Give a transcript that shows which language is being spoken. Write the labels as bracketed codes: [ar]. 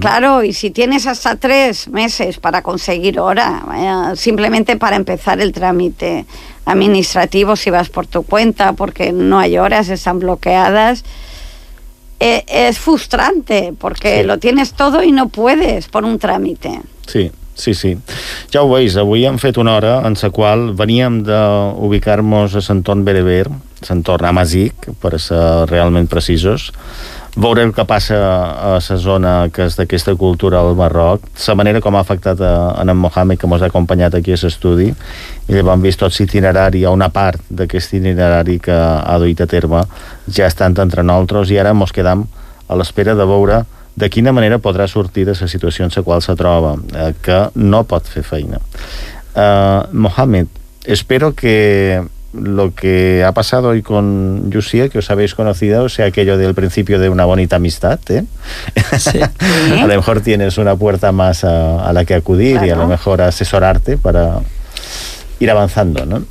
[es] Claro, y si tienes hasta 3 meses para conseguir hora, simplemente para empezar el trámite administrativo, si vas por tu cuenta, porque no hay horas, están bloqueadas, es frustrante, porque sí, lo tienes todo y no puedes por un trámite. Sí. Sí, sí. [ca] Ja ho veus, avui hem fet una hora en la qual veníem d'ubicar-nos a Sant Ton Bereber, Sant Ton Amazic, per ser realment precisos, veure el que passa a la zona que és d'aquesta cultura al Marroc, la manera com ha afectat en Mohamed, que ens ha acompanyat aquí a l'estudi, i vam vist tot l'itinerari, o una part d'aquest itinerari que ha duit a terme, ja estant entre nosaltres, i ara ens quedam a l'espera de veure de quina manera podrà sortir de la situació en la qual se troba, que no pot fer feina. [es] Mohamed, espero que lo que ha pasado hoy con Yusia, que os habéis conocido, sea aquello del principio de una bonita amistad, ¿eh? Sí. A lo mejor tienes una puerta más a la que acudir, claro, y a lo mejor asesorarte para ir avanzando, ¿no?